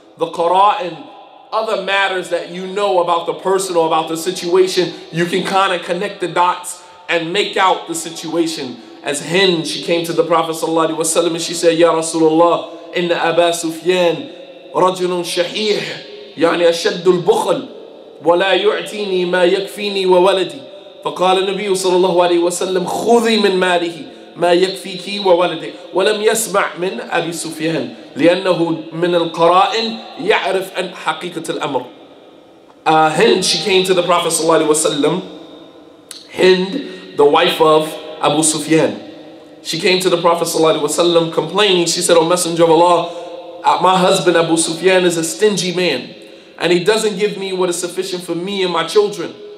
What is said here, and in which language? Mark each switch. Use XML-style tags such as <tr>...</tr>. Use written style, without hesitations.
<en>The qara' and other matters that you know about the person or about the situation, you can kind of connect the dots and make out the situation. As Hind, she came to the Prophet sallallahu alaihi wasallam and she said,</en> <ar>Ya Rasulullah, inna Aba Sufyan rajulun shahih, يعني أشد البخل ولا يعطيني ما يكفيني وولدي. فقال النبي صلى الله عليه وسلم خذي من ماله ما يكفيك وولدك. ولم يسمع من أبي سفيان لأنه من القرائن يعرف أن حقيقة الأمر.</ar> <en>Hind, she came to the Prophet صلى الله عليه وسلم. Hind, the wife of Abu Sufyan, she came to the Prophet صلى الله عليه وسلم complaining. She said, O Messenger of Allah, my husband Abu Sufyan is a stingy man, and he doesn't give me what is sufficient for me and my children.</en>